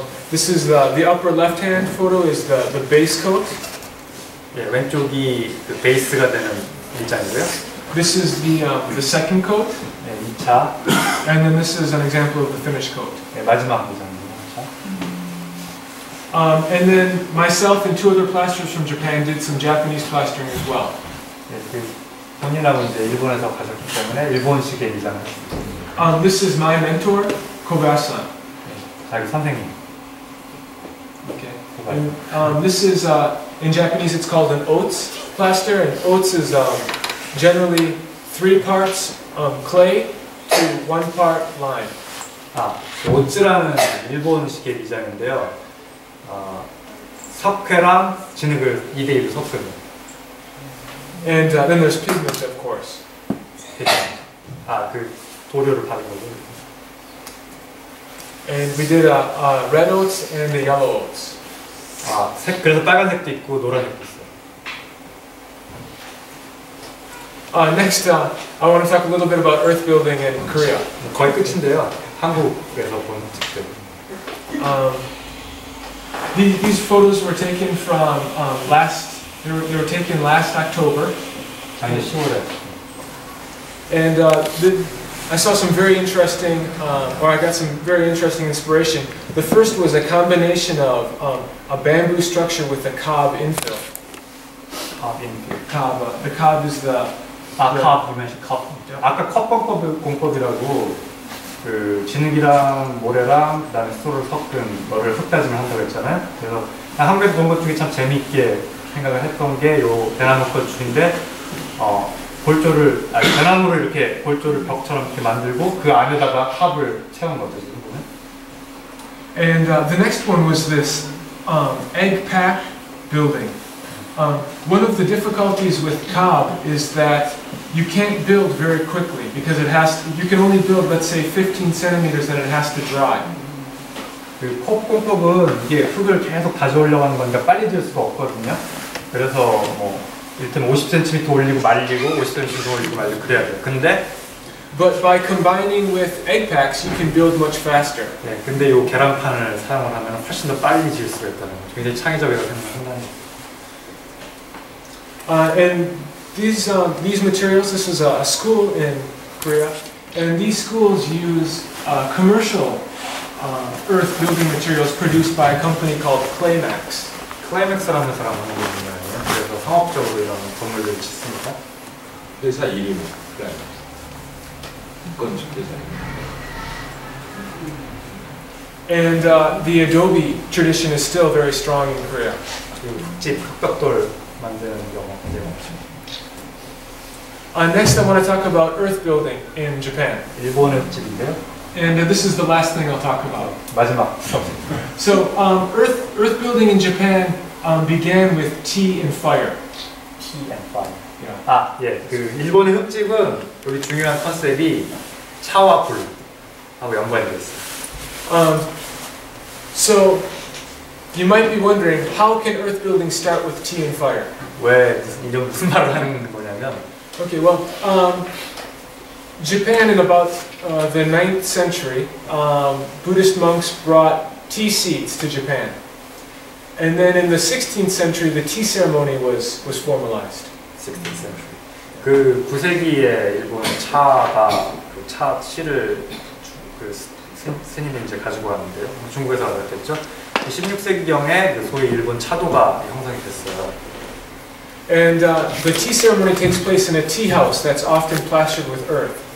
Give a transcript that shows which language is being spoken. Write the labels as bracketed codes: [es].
[en] This is the upper left hand photo is the base coat. [ko] 예, 왼쪽이 그 베이스가 되는 일자이고요. [en] This is the second coat. [ko] 네, 2차. [en] And then this is an example of the finished coat. [ko] 네, 마지막 부장입니다. [en] And then myself and two other plasterers from Japan did some Japanese plastering as well. [ko] 네, 그 형님하고 이제 일본에서 가셨기 때문에 일본식의 일장을 했습니다. [en] This is my mentor, Kobayashi. [ko] 자기 선생님. [en] Okay. And this is in Japanese it's called an oats plaster, and oats is generally three parts clay to one part lime. [ko] 아, 오츠라는 일본식의 디자인인데요. 석회랑 진흙을 2대 1로 섞은. [en] And then there's pigment, of course. [ko] 아, 그 도료를 바른 거죠. [en] And we did a red oats and the yellow oats. [ko] 아, 색, 그래서 빨간색도 있고 노란색도 있어요. [en] Next, I want to talk a little bit about earth building in Korea. [ko] 거의 끝인데요. 한국에서 본 직접. [en] These photos were taken from they were taken last October. [ko] 작년 10월에. [en] And I saw some very interesting, I got some very interesting inspiration. The first was a combination of a bamboo structure with a cob infill. Cob infill. Cob. The cob is the. 아, cob. You mentioned cob. [ko] 아까 컵 공법이라고 그 진흙이랑 모래랑 그다음에 수로를 섞은 거를 흙다짐을 한다고 했잖아요. 그래서 한국에서 본 것 중에 참 재미있게 생각을 했던 게 요 대나무 건축인데 골조를, 아니, 대나무를 이렇게 골조를 벽처럼 이렇게 만들고 그 안에다가 컵을 채운 거죠, 지금 보면. [en] And the next one was this egg pack building. One of the difficulties with cob is that you can't build very quickly because it has to, you can only build, let's say, 15 centimeters and it has to dry. [ko] 그 컵 공법은 이게 흙을 계속 가져오려고 하는 건데 빨리 될 수가 없거든요. 그래서 뭐 일단 50cm 올리고 말리고 50cm 올리고 말리고 그래야 돼. 근데 [en] But by combining with egg packs, you can build much faster. [ko] 네, 근데 요 계란판을 사용을 하면 훨씬 더 빨리 지을 수가 있다는 거죠. 굉장히 창의적이라고 생각합니다. [en] And these materials, this is a school in Korea, and these schools use commercial earth building materials produced by a company called Claymax. [ko] Claymax라는 사람 하는 거 아니에요? 그래서 상업적으로 이런 건물들을 짓습니까? 회사 이름은 Claymax. 건축 회사. [en] And the adobe tradition is still very strong in Korea. [ko] 집, 흙벽돌 만드는 경우 굉장히 많죠. [en] Next, I want to talk about earth building in Japan. [ko] 일본의 집인데요. [en] And this is the last thing I'll talk about. [ko] 마지막. [en] So, earth building in Japan began with tea and fire. Tea and fire. Yeah. [ko] 아, 예. 그 일본의 흙집은 우리 중요한 컨셉이 차와 불하고 연관이 돼 있어요. [en] So, you might be wondering how can earth building start with tea and fire? [ko] 왜 무슨 말을 하는 거냐면. [en] Okay, well, Japan in about the 9th century, Buddhist monks brought tea seeds to Japan. And then in the 16th century, the tea ceremony was formalized. 16th century. [ko] 그 9세기에 일본 차가, 그 차, 씨를 그 스님이 이제 가지고 왔는데요. 중국에서 알았겠죠? 16세기경에 그 소위 일본 차도가 형성이 됐어요. [en] And the tea ceremony takes place in a tea house that's often plastered with earth.